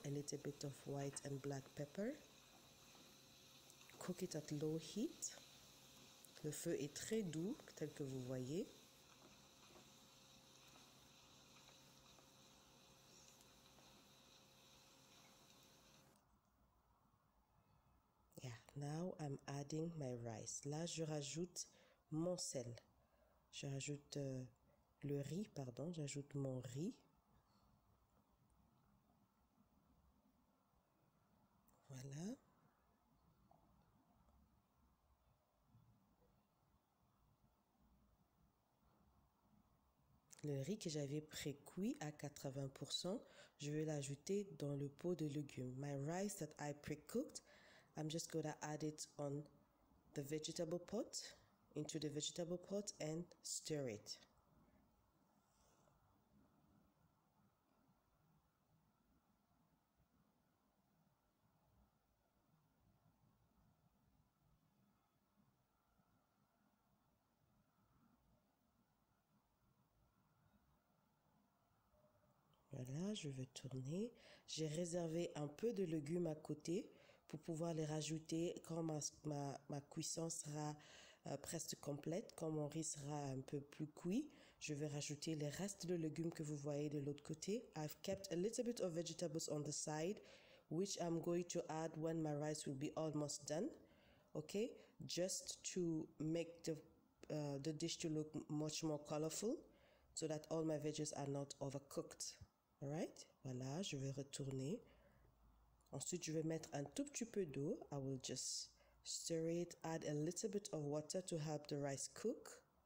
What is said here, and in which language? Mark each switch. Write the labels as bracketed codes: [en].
[en] A little bit of white and black pepper. Cook it at low heat. [fr] Le feu est très doux, tel que vous voyez. [en] Now I'm adding my rice. [fr] Là, je rajoute mon sel. Je rajoute le riz, pardon. J'ajoute mon riz. Voilà. Le riz que j'avais pré-cuit à 80%, je vais l'ajouter dans le pot de légumes. [en] My rice that I pre-cooked, I'm just going to add it on the vegetable pot, into the vegetable pot and stir it. [fr] Voilà, je vais tourner. J'ai réservé un peu de légumes à côté pour pouvoir les rajouter quand ma cuisson sera presque complète, quand mon riz sera un peu plus cuit. Je vais rajouter les restes de légumes que vous voyez de l'autre côté. [en] I've kept a little bit of vegetables on the side, which I'm going to add when my rice will be almost done. Okay, just to make the dish to look much more colorful, so that all my veggies are not overcooked. [fr] Alright, voilà, je vais retourner. Ensuite, je vais mettre un tout petit peu d'eau. [en] I will just stir it, add a little bit of water to help the rice cook.